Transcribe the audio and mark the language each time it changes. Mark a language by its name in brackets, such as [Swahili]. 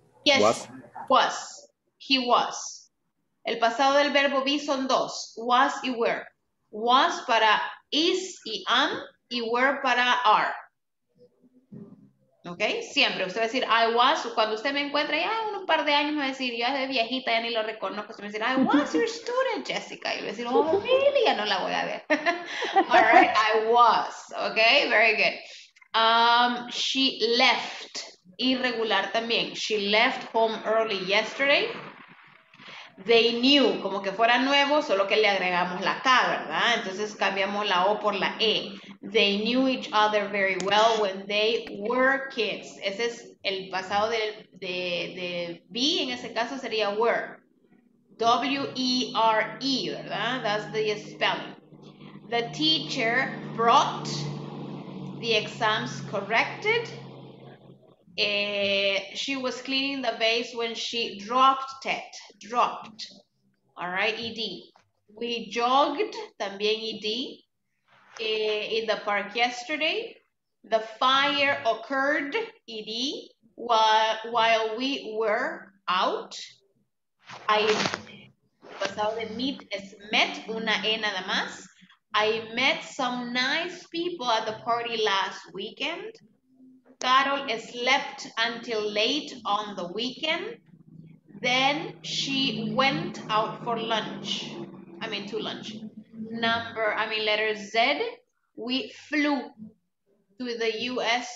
[English] Yes, was. He was. [Spanish] El pasado del verbo be son dos. Was y were. Was para is y am, y were para are. ¿Ok? Siempre. Usted va a decir, [English] I was. [Spanish] Cuando usted me encuentra ya un par de años, me va a decir, yo de viejita ya ni lo reconozco. Usted me va a decir, [English] I was your student, [Spanish] Jessica. Y le va a decir, [English] oh, really? [Spanish] Ya no la voy a ver. [English] All right, I was. [Spanish] ¿Ok? [English] Very good. She left. Irregular también. She left home early yesterday. They knew. [Spanish] Como que fuera nuevo, solo que le agregamos la K, ¿verdad? Entonces cambiamos la O por la E. [English] They knew each other very well when they were kids. [Spanish] Ese es el pasado de be, en ese caso sería were. [English] W-E-R-E, ¿verdad? That's the spelling. The teacher brought the exams corrected. She was cleaning the vase when she dropped it. Dropped. All right, ED. We jogged, también ED. In the park yesterday, the fire occurred, ED, while we were out. [Spanish] I, pasado de meet es met, una E nada más. [English] I met some nice people at the party last weekend. Carol slept until late on the weekend. Then she went out for lunch. I mean, to lunch. Letter Z, we flew to the U.S.